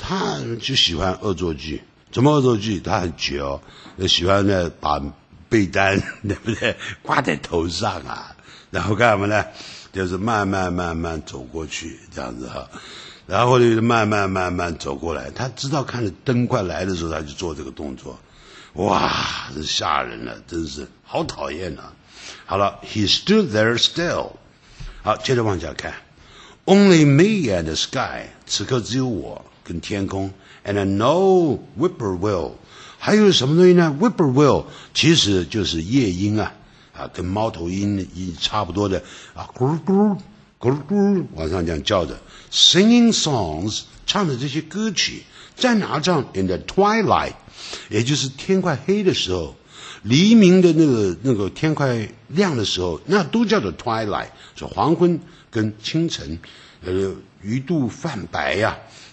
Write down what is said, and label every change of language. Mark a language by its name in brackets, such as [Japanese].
[Chinese] 他就喜欢恶作剧。怎么恶作剧？他很绝哦，喜欢呢把被单对不对挂在头上啊，然后干什么呢？就是慢慢慢慢走过去这样子哈，然后就慢慢慢慢走过来。他知道看着灯快来的时候，他就做这个动作。哇，真吓人了，真是好讨厌啊！ [English] 好了 ，He stood there still。 [Chinese] 好，接着往下看。 [English] Only me and the sky， [Chinese] 此刻只有我跟天空。 [English] And no whippoorwill， [Chinese] 还有什么东西呢 ？Whippoorwill 其实就是夜莺啊，啊，跟猫头鹰差不多的啊，咕噜咕噜咕噜咕噜往上这样叫着 ， [English] singing songs， [Chinese] 唱的这些歌曲在哪唱 ？ [English] In the twilight， [Chinese] 也就是天快黑的时候，黎明的那个天快亮的时候，那都叫做 twilight， 是黄昏跟清晨，鱼肚泛白呀、啊。